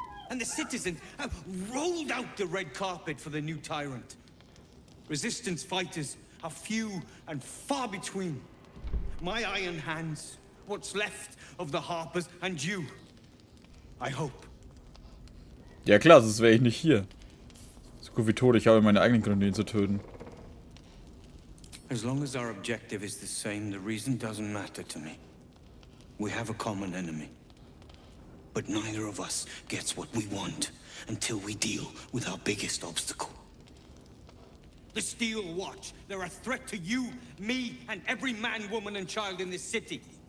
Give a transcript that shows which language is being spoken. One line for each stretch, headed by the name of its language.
English: And the citizens have rolled out the red carpet for the new tyrant. Resistance fighters are few and far between. My iron hands, what's left of the Harpers, and you. I hope.
German: Ja klar, sonst wäre ich nicht hier. So gut wie tot, ich habe meine eigenen Gründe, ihn zu töten.
English: As long as our objective is the same, the reason doesn't matter to me. We have a common enemy. But neither of us gets what we want until we deal with our biggest obstacle. The Steel Watch, they're a threat to you, me, and every man, woman, and child in this city.